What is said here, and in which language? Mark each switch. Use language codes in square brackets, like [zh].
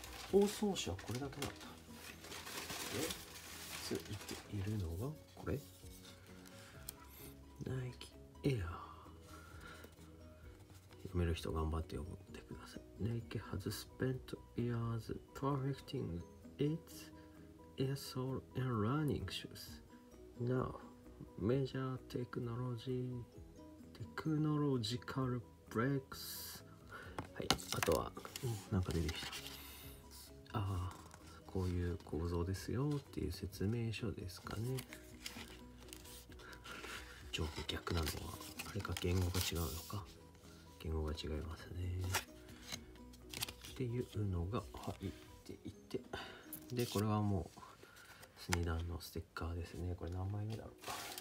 [ja] 包装紙はこれだけだった。で、ついているのがこれ、ナイキエア。読める人頑張って読んでください。 [en] ナイキ has spent years perfecting its airsole and running shoes. Now, major technological breaks. [ja] はい、あとは、なんか出てきた。ああ、こういう構造ですよっていう説明書ですかね。上下逆なのはあれか、言語が違うのか。言語が違いますねっていうのが入っていて、でこれはもうスニダンのステッカーですね。これ何枚目だろうか。